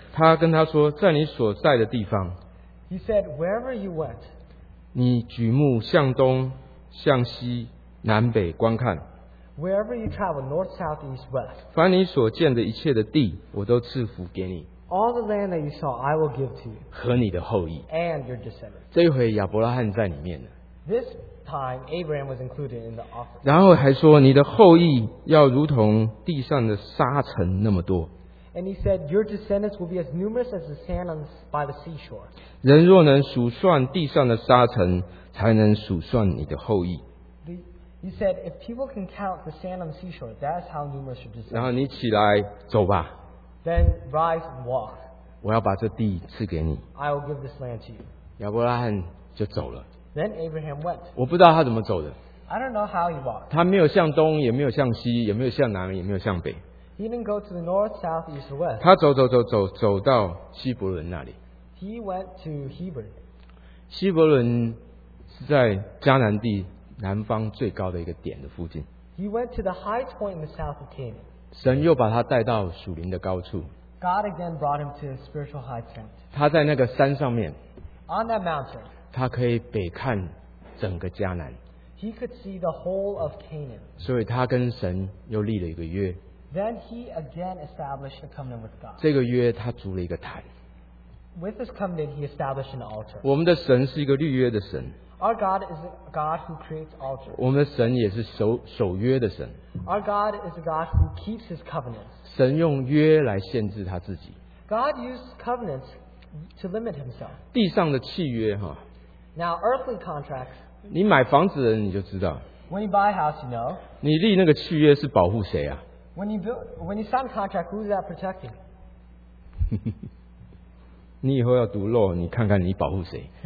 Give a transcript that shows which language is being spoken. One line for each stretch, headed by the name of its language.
Chinese: 他跟他说在你所在的地方。
English: He said, wherever you went,
Chinese: 你举目向东向西南北观看。
English: Wherever you travel, north, south, east, west.
Chinese: 凡你所见的一切的地我都赐福给你。
English: All the land that you saw, I will give to you.
Chinese: 和你的后裔。
English: And your descendants.
Chinese: 这回亚伯拉罕在里面了。
English: This time, Abraham was included in the offer.
Chinese: 然后还说，你的后裔要如同地上的沙尘那么多。
English: And he said, your descendants will be as numerous as the sand on by the seashore.
Chinese: 人若能数算地上的沙尘，才能数算你的后裔。
English: He said, if people can count the sand on the seashore, that's how numerous your descendants.
Chinese: 然后你起来走吧。
English: Then rise and walk.
Chinese: 我要把这地赐给你。
English: I will give this land to you.
Chinese: 亚伯拉罕就走了。
English: Then Abraham went.
Chinese: 我不知道他怎么走的。
English: I don't know how he walked.
Chinese: 他没有向东，也没有向西，也没有向南，也没有向北。
English: He didn't go to the north, south, east, or west.
Chinese: 他走到希伯伦那里。
English: He went to Hebron.
Chinese: 希伯伦是在迦南地。南方最高的一个点的附近,
English: he went to the highest point in the south of Canaan.
Chinese: 神又把他带到属灵的高处,
English: God again brought him to the spiritual high point.
Chinese: 他在那个山上面,
English: on that mountain,
Chinese: 他可以北看整个迦南,
English: he could see the whole of Canaan.
Chinese: 所以他跟神又立了一个约,
English: then he again established a covenant with God.
Chinese: 这个约他筑了一个坛,
English: with this covenant, he established an altar.
Chinese: 我们的神是一个立约的神,
English: our God is a God who creates altars.
Chinese: 我们的神也是守约的神。
English: Our God is a God who keeps his covenants.
Chinese: 神用约来限制他自己。
English: God used covenants to limit himself.
Chinese: 地上的契约,
English: now, earthly contracts.
Chinese: 你买房子的人你就知道,
English: when you buy a house, you know.
Chinese: 你立那个契约是保护谁啊?
English: When you sign a contract, who is that protecting?
Chinese: 你以后要读law,你看看你保护谁。